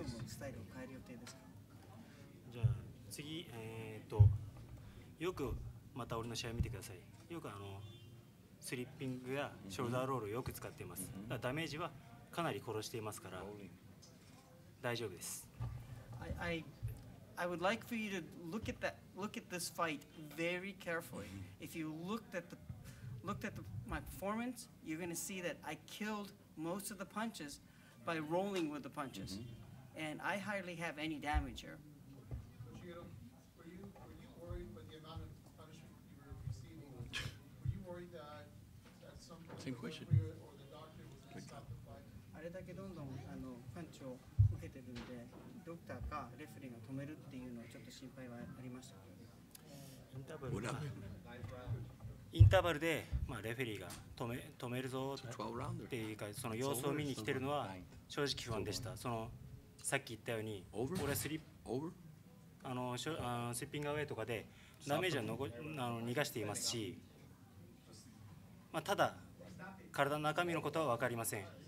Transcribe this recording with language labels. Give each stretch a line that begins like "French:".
Japanese: じゃあ次、よくまた俺の試合見てください。よくスリッピングやショルダーロールをよく使っています。だからダメージはかなり殺していますから大丈夫です。
English: I would like for you to look at this fight very carefully. If you looked at my performance, you're going to see that I killed most of the punches. By rolling with the punches, and I hardly have any damage here. Were you worried by the amount of punishment you were receiving? Were you worried that at some point, same question, or the doctor was going to stop the fight?
Japanese: あれだけどんどんパンチを受けてるんで、ドクターかレフェリーが止めるっていうのはちょっと心配はありました。インターバルか。インターバルで、まあ、レフェリーが止めるぞっていうか、その様子を見に来てるのは正直不安でした。そのさっき言ったように俺はスリッピングアウェイとかでダメージは逃がしていますし、まあ、ただ体の中身のことは分かりません。